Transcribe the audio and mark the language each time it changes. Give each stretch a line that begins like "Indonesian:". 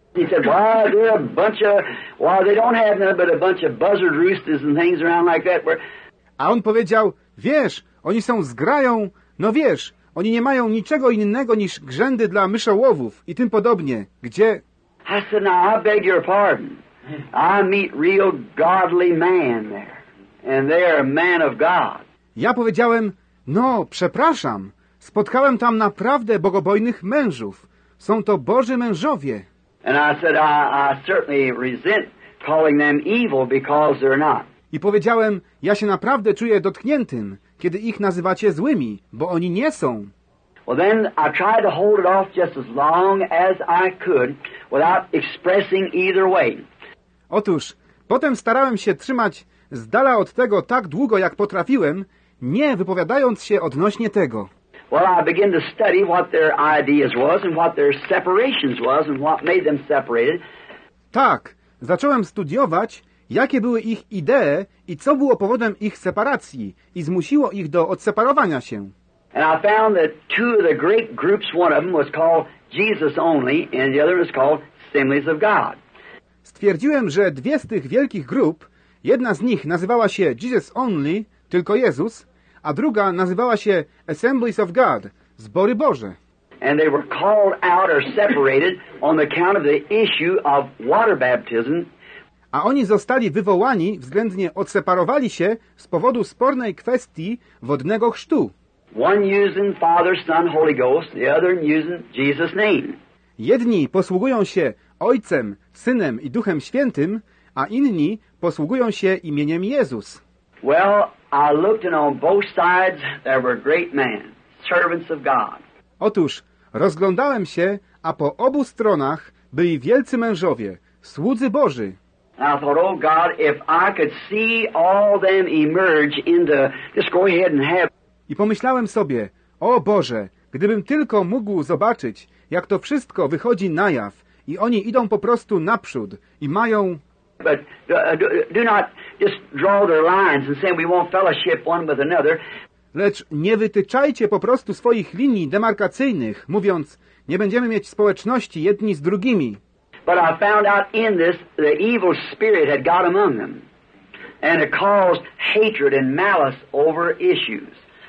English: He said, why, they're a bunch of, why, they don't have nothing but a bunch of buzzard roosters and things around like that.
Polish: A on powiedział, wiesz, oni są zgrają, no wiesz, oni nie mają niczego innego niż grzędy dla myszołowów i tym podobnie, gdzie...
English: I said, now, I beg your pardon. I meet real godly man there. And they are a man of God.
Polish: Ja powiedziałem, no, przepraszam. Spotkałem tam naprawdę bogobojnych mężów. Są to Boży mężowie.
English: And I said, I certainly resent calling them evil because they're not.
Polish: I powiedziałem, ja się naprawdę czuję dotkniętym, kiedy ich nazywacie złymi, bo oni nie są.
English: Well, then I tried to hold it off just as long as I could without expressing either way.
Polish: Otóż, potem starałem się trzymać z dala od tego tak długo, jak potrafiłem, nie wypowiadając się odnośnie tego.
English: Well, I began to study what their ideas was and what their separations was and what made them separated.
Polish: Tak, zacząłem studiować, jakie były ich idee i co było powodem ich separacji i zmusiło ich do odseparowania się.
English: And I found that two of the great groups, one of them was called Jesus Only and the other was called Assemblies of God.
Polish: Stwierdziłem, że dwie z tych wielkich grup, jedna z nich nazywała się Jesus Only, tylko Jezus, a druga nazywała się Assemblies of God, Zbory Boże.
English: And they were called out or separated on account of the issue of water baptism.
Polish: A oni zostali wywołani, względnie odseparowali się z powodu spornej kwestii wodnego chrztu.
English: One using Father, Son, Holy Ghost, the other using Jesus' name.
Polish: Jedni posługują się Ojcem, Synem i Duchem Świętym, a inni posługują się imieniem Jezus.
English: Well, I looked and on both sides there were great men, servants of God.
Polish: Otóż rozglądałem się, a po obu stronach byli wielcy mężowie, słudzy Boży.
English: I thought, oh God, if I could see all them emerge into, just go ahead and have.
Polish: I pomyślałem sobie, o Boże, gdybym tylko mógł zobaczyć, jak to wszystko wychodzi na jaw i oni idą po prostu naprzód i mają.
English: But do not just draw their lines and say we won't fellowship one with another.
Polish: Lecz nie wytyczajcie po prostu swoich linii demarkacyjnych, mówiąc, nie będziemy mieć społeczności jedni z drugimi.
English: But I found out in this the evil spirit had got among them and it caused hatred and malice over issues.